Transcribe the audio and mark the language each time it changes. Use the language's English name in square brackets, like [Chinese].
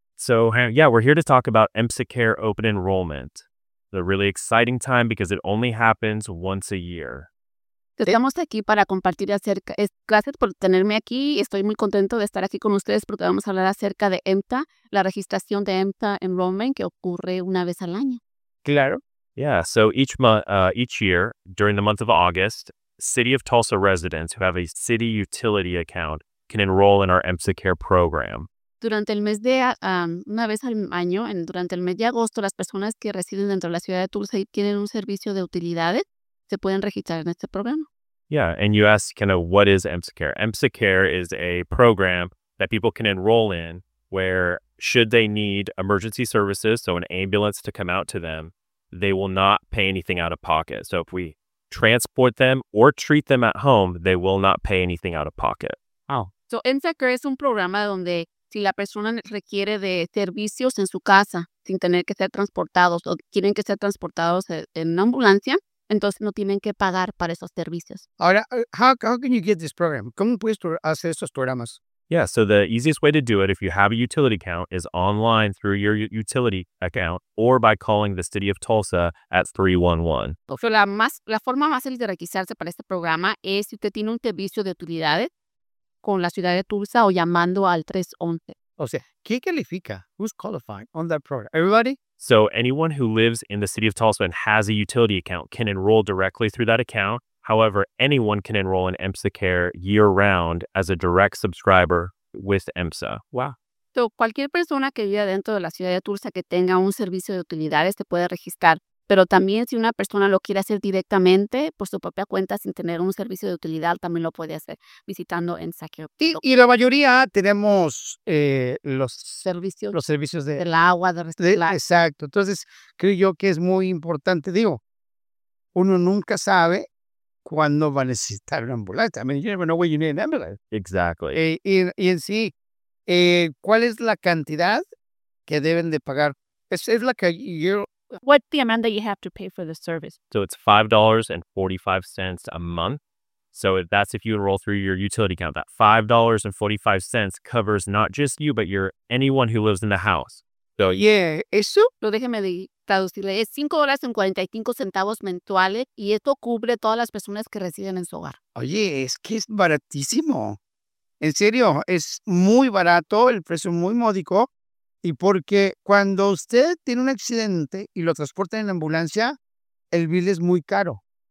[English] So, yeah, we're here to talk about AMSAcare open enrollment. It's a really exciting time because it only happens once a year. [Spanish] Estamos aquí para compartir acerca. Gracias por tenerme aquí. Estoy muy contento de estar aquí con ustedes porque vamos a hablar acerca de AMSA, la registración de AMSA enrollment que ocurre una vez al año. Claro. [English] Yeah, so each month, each year, during the month of August, City of Tulsa residents who have a city utility account can enroll in our AMSAcare program. [Spanish] Durante el mes de, una vez al año, durante el mes de agosto, las personas que residen dentro de la ciudad de Tulsa y tienen un servicio de utilidades, se pueden registrar en este programa. [English] Yeah, and you ask, kind of, what is AMSAcare? AMSAcare is a program that people can enroll in where, should they need emergency services, so an ambulance to come out to them, they will not pay anything out of pocket. So if we transport them or treat them at home, they will not pay anything out of pocket. Oh. [Spanish] So AMSAcare es un programa donde si la persona requiere de servicios en su casa sin tener que ser transportados o quieren que ser transportados en una ambulancia, entonces no tienen que pagar para esos servicios. Ahora, [English] how can you get this program? [Spanish] ¿Cómo puedes hacer estos programas? [English] Yeah, so the easiest way to do it, if you have a utility account, is online through your utility account or by calling the City of Tulsa at 311. [Spanish] So la forma más fácil de registrarse para este programa es si usted tiene un servicio de utilidades con la ciudad de Tulsa o llamando al 311. O sea, ¿qué califica? [English] Who's qualified on that program? Everybody? So anyone who lives in the City of Tulsa and has a utility account can enroll directly through that account. However, anyone can enroll in AMSAcare year-round as a direct subscriber with AMSA. Wow. [Spanish] So, cualquier persona que viva dentro de la ciudad de Tulsa que tenga un servicio de utilidades se puede registrar. Pero también si una persona lo quiere hacer directamente por su propia cuenta sin tener un servicio de utilidad, también lo puede hacer visitando AMSAcare. Sí, y la mayoría tenemos los servicios de del agua, de reciclar. Exacto. Entonces, creo yo que es muy importante. Digo, uno nunca sabe cuando va a necesitar una ambulancia. [English] I mean, you never know when you need an ambulance. Exactly. [Spanish] Y en sí, ¿cuál es la cantidad que deben de pagar? [English] Es like a year. What's the amount that you have to pay for the service? So it's $5.45 a month. So that's if you enroll through your utility account. That $5.45 covers not just you, but your anyone who lives in the house. So [Spanish] yeah, eso. Pero déjeme traducirle. Es $5.45 mensuales y esto cubre todas las personas que residen en su hogar. Oye, es que es baratísimo. En serio, es muy barato, el precio muy módico. Y porque cuando usted tiene un accidente y lo transporta en ambulancia, el bill es muy caro.